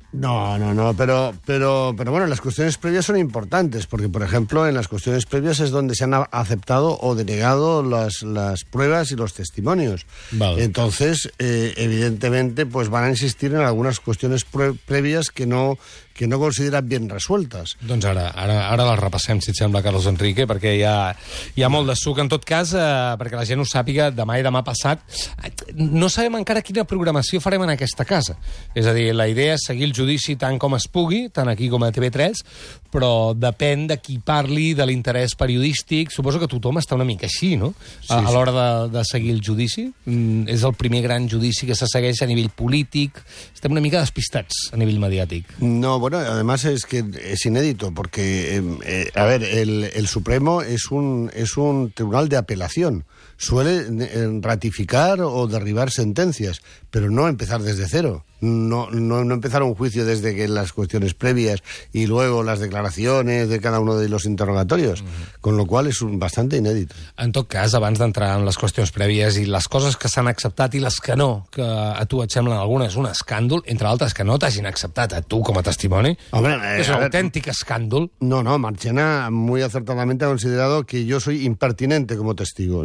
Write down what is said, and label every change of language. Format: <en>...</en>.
<es>No, pero bueno, las cuestiones previas son importantes, porque, por ejemplo, en las cuestiones previas es donde se han aceptado o denegado las pruebas y los testimonios. Vale. Entonces, evidentemente, pues van a insistir en algunas cuestiones previas que no consideran bien resueltas.</es> <ca>Doncs ara les repassem, si et sembla, Carlos Enrique, perquè hi ha molt de suc. En tot cas, perquè la gent ho sàpiga, demà i demà passat, no sabem encara quina programació farem en aquesta casa. És a dir, la idea és seguir el judici tant com es pugui, tant aquí com a TV3, però depèn de qui parli, de l'interès periodístic. Suposo que tothom està una mica així, no? Sí. L'hora de seguir el judici. És el primer gran judici que se segueix a nivell polític. Estem una mica despistats a nivell mediàtic.</ca> <es>No, bueno, además es que es inédito, porque, a ver, el Supremo es un tribunal de apelación. Suele ratificar o derribar sentencias, pero no empezar desde cero. No empezar un juicio desde que las cuestiones previas y luego las declaraciones de cada uno de los interrogatorios. Con lo cual es bastante inédito.</es> <ca>En tot cas, abans d'entrar en les qüestions prèvies i les coses que s'han acceptat i les que no, que a tu et semblen algunes un escàndol, entre altres que no t'hagin acceptat a tu com a testimoni, és un autèntic escàndol.</ca> <es>No, Marchena muy acertadamente ha considerado que yo soy impertinente como testigo.</es>